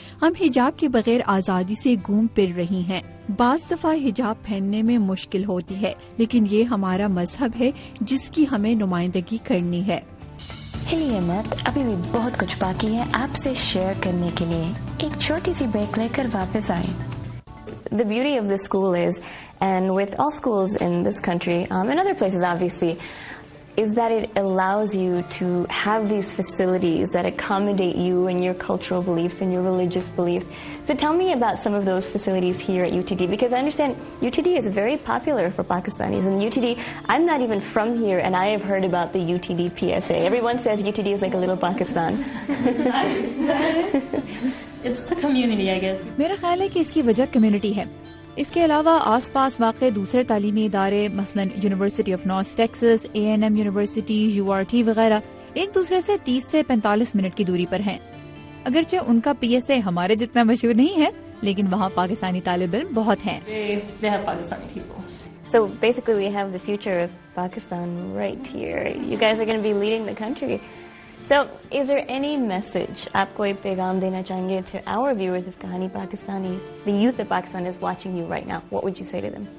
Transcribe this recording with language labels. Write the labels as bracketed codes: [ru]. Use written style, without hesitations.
[ur] ہم حجاب کے بغیر آزادی سے گھوم پھر رہی ہیں. بعض دفعہ حجاب پہننے میں مشکل ہوتی ہے لیکن یہ ہمارا مذہب ہے جس کی ہمیں نمائندگی کرنی ہے. ہلیے مت, ابھی بھی بہت کچھ باقی ہے آپ سے شیئر کرنے کے لیے. ایک چھوٹی سی بریک لے کر واپس آئیں. [en] The beauty of this school is, and with all schools in this country, and other places obviously, is that it allows you to have these facilities that accommodate you and your cultural beliefs and your religious beliefs. So tell me about some of those facilities here at UTD, because I understand UTD is very popular for Pakistanis. And UTD, I'm not even from here, and I have heard about the UTD PSA. Everyone says UTD is like a little Pakistan. It's the community, I guess. [ur] میرا خیال ہے کہ اس کی وجہ community ہے. اس کے علاوہ آس پاس واقع دوسرے تعلیمی ادارے, مثلا university of north Texas, a N M university, you are T وغیرہ, ایک دوسرے سے 30 سے 45 منٹ کی دوری پر ہیں. اگرچہ ان کا پی ایس اے ہمارے جتنا مشہور نہیں ہے لیکن وہاں پاکستانی طالب علم بہت ہیں. [en] So basically we have the future of Pakistan right here. You guys are going to be leading the country. So is there any message [ur] aap koi paigham dena chahenge [en] to our viewers of Kahani Pakistani, the youth of Pakistan is watching you right now, what would you say to them?